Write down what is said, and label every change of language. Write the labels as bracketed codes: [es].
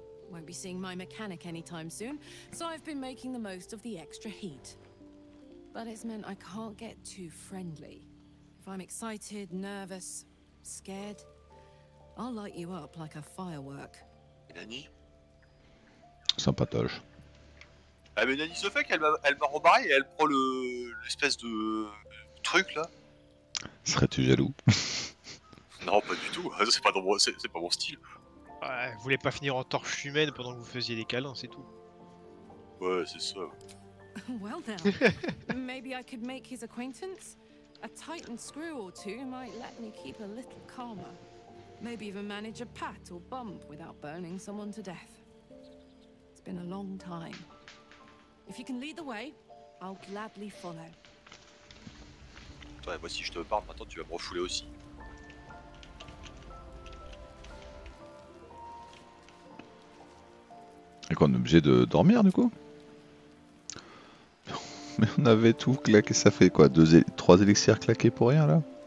[en] Won't be seeing my mechanic anytime soon, so I've been making the most of the extra heat. But it's meant I can't get too friendly. If I'm excited, nervous, scared, I'll light you up like a firework. [fr] Nani? Sympatoche. Ah mais Nani se fait qu'elle va rembarrer et elle prend l'espèce de truc là. Serais-tu jaloux? Non, pas du tout, c'est pas mon style. Ouais, vous voulez pas finir en torche humaine pendant que vous faisiez des câlins, c'est tout. Ouais, c'est ça. [en] Well then, maybe I could make his acquaintance. A Titan screw or two might let me keep a little calmer. Maybe even manage a pat or bump without burning someone to death. It's been a long time. If you can lead the way, I'll gladly follow. [fr] Ouais, moi si je te parle maintenant tu vas me refouler aussi. Et quoi, on est obligé de dormir du coup? Mais on avait tout claqué, ça fait quoi, trois élixirs claqués pour rien là?